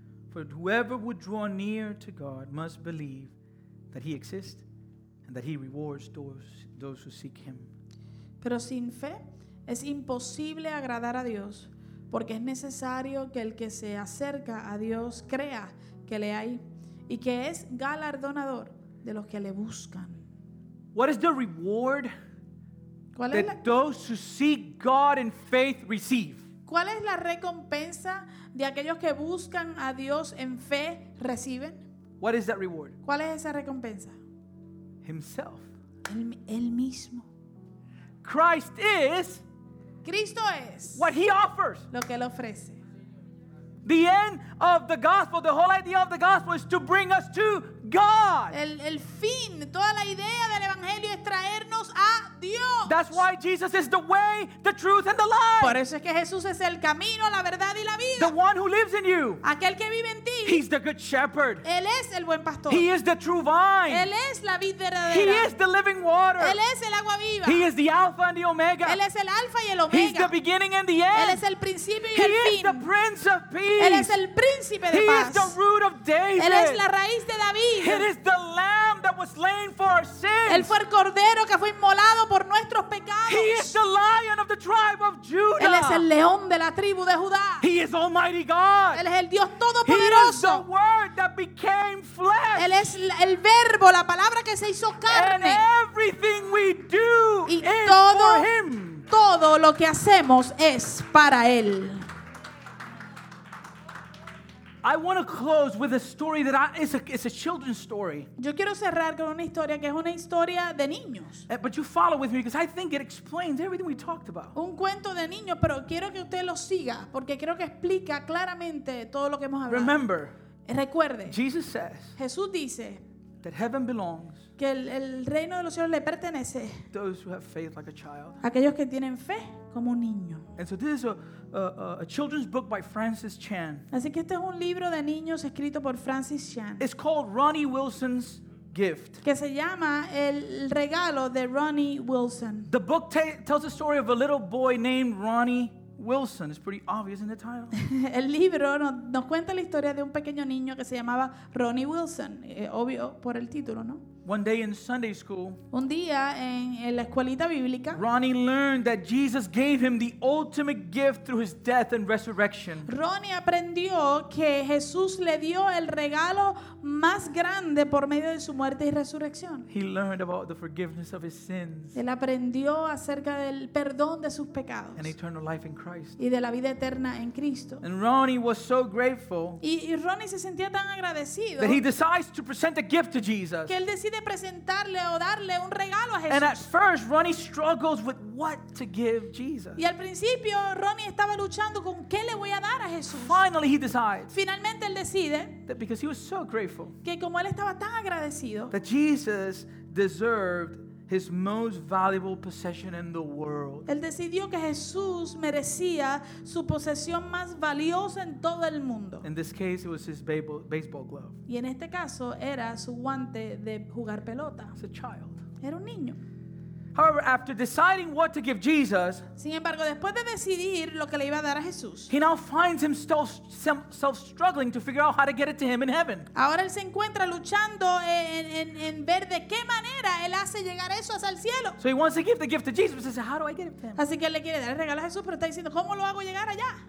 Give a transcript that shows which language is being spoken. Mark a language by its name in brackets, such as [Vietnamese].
[English] For whoever would draw near to God must believe that he exists and that he rewards those who seek him. [Spanish] Pero sin fe es imposible agradar a Dios, porque es necesario que el que se acerca a Dios crea que le hay y que es galardonador de los que le buscan. [English] What is the reward [Spanish] ¿Cuál [English] that [Spanish] es la... [English] those who seek God in faith receive? [Spanish] ¿Cuál es la recompensa de aquellos que buscan a Dios en fe reciben? [English] What is that reward? [Spanish] ¿Cuál es esa recompensa? [English] Himself. [Spanish] Él mismo. [English] Christ is. [Spanish] Cristo es. [English] What he offers. [Spanish] Lo que él ofrece. [English] The end of the gospel, the whole idea of the gospel is to bring us to God. [Spanish] El fin, toda la idea del evangelio es traernos a Dios. [English] That's why Jesus is the way, the truth, and the life. [Spanish] Por eso es que Jesús es el camino, la verdad y la vida. [English] The one who lives in you. [Spanish] Aquel que vive en ti. [English] He's the good shepherd. [Spanish] Él es el buen pastor. [English] He is the true vine. [Spanish] Él es la vid verdadera. [English] He is the living water. [Spanish] Él es el agua viva. [English] He is the Alpha and the Omega. [Spanish] Él es el Alpha y el Omega. [English] He's the beginning and the end. [Spanish] Él es el principio y [English] he [Spanish] el fin. [English] He is the Prince of Peace. [Spanish] Él es el príncipe de [English] he [Spanish] paz. [English] He is the root of David. [Spanish] Él es la raíz de David. [English] It is the Lamb that was slain for our sins. [Spanish] Él fue el cordero que fue inmolado por nuestros pecados. [English] He is the Lion of the tribe of Judah. [Spanish] Él es el león de la tribu de Judá. [English] He is Almighty God. [Spanish] Él es el Dios todopoderoso. [English] He is the Word that became flesh. [Spanish] Él es el verbo, la palabra que se hizo carne. [English] And everything we do [Spanish] y [English] is [Spanish] todo, [English] for Him. [Spanish] Todo lo que hacemos es para Él. [English] I want to close with a story that is a children's story. [Spanish] Yo quiero cerrar con una historia que es una historia de niños. [English] But you follow with me because I think it explains everything we talked about. [Spanish] Un cuento de niños, pero quiero que usted lo siga porque creo que explica claramente todo lo que hemos hablado. [English] Remember. [Spanish] Recuerde. [English] Jesus says. [Spanish] Jesús dice. [English] That heaven belongs. [Spanish] Que el reino de los cielos le pertenece. [English] Those who have faith like a child. [Spanish] Aquellos que tienen fe como un niño. [English] And so this is a children's book by Francis Chan. [Spanish] Así que este es un libro de niños escrito por Francis Chan. [English] It's called Ronnie Wilson's Gift. [Spanish] Que se llama El Regalo de Ronnie Wilson. [English] The book tells the story of a little boy named Ronnie Wilson. It's pretty obvious in the title. [Spanish] El libro nos cuenta la historia de un pequeño niño que se llamaba Ronnie Wilson. Obvio por el título, ¿no? [English] One day in Sunday school, [Spanish] un día en la escuelita bíblica, [English] Ronnie learned that Jesus gave him the ultimate gift through his death and resurrection. [Spanish] Ronnie aprendió que Jesús le dio el regalo más grande por medio de su muerte y resurrección. [English] He learned about the forgiveness of his sins. [Spanish] Él aprendió acerca del perdón de sus pecados. [English] And eternal life in Christ. [Spanish] Y de la vida eterna en Cristo. [English] And Ronnie was so grateful. [Spanish] Y Ronnie se sentía tan agradecido. [English] That he decides to present a gift to Jesus. [Spanish] Que él decide presentarle o darle un regalo a Jesús. [English] And at first, Ronnie struggles with what to give Jesus. [Spanish] Y al principio, Ronnie estaba luchando con qué le voy a dar a Jesús. [English] Finally, he decides. [Spanish] Finalmente, él decide. [English] That because he was so grateful. [Spanish] Que como él estaba tan agradecido. [English] That Jesus deserved his most valuable possession in the world. [Spanish] Él decidió que Jesús merecía su posesión más valiosa en todo el mundo. [English] In this case, it was his baseball glove. [Spanish] Y en este caso era su guante de jugar pelota. [English] It's a child. [Spanish] Era un niño. [English] However, after deciding what to give Jesus, [Spanish] sin embargo, después de decidir lo que le iba a dar a Jesús, [English] he now finds himself struggling to figure out how to get it to him in heaven. [Spanish] Ahora él se encuentra luchando en ver de qué manera él hace llegar eso hasta el cielo. [English] So he wants to give the gift to Jesus, but he says, "How do I get it to him?" [Spanish] Así que él le quiere dar el regalo a Jesús, pero está diciendo, ¿cómo lo hago llegar allá?